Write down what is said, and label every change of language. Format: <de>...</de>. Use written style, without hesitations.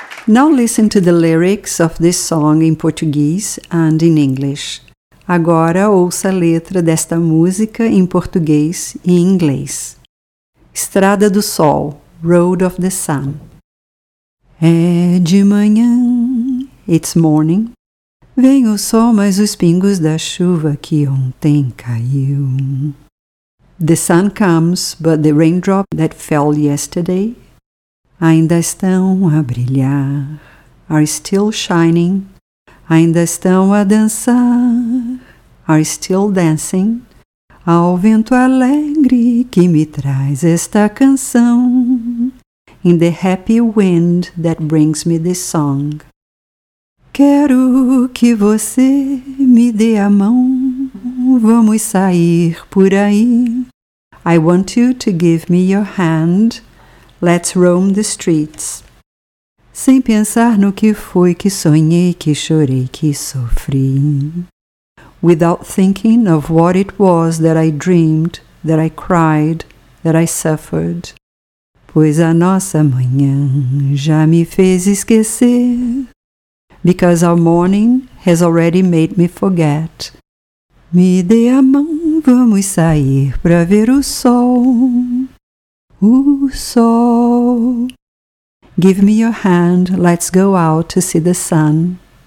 <en>Now listen to the lyrics of this song in Portuguese and in English.</en> <pt>Agora ouça a letra desta música em português e em inglês.</pt> <en>Estrada do Sol, Road of the Sun.</en> <pt>É de manhã.</pt> <en>It's morning.</en> <pt>Vem o sol, mas os pingos da chuva que ontem caiu.</pt> <en>The sun comes, but the raindrop that fell yesterday</en> <pt>ainda estão a brilhar,</pt> <en>are still shining.</en> <pt>Ainda estão a dançar,</pt> <en>are still dancing.</en> <pt>Ao vento alegre que me traz esta canção.</pt> <en>In the happy wind that brings me this song.</en> <pt>Quero que você me dê a mão, vamos sair por aí.</pt> <en>I want you to give me your hand, let's roam the streets.</en> <pt>Sem pensar no que foi que sonhei, que chorei, que sofri.</pt> <en>Without thinking of what it was that I dreamed, that I cried, that I suffered.</en> <pt>Pois a nossa manhã já me fez esquecer.</pt> <en>Because our morning has already made me forget.</en> <pt>Me dê a mão, vamos sair pra ver o sol. O sol.</pt> <en>Give me your hand, let's go out to see the sun.</en>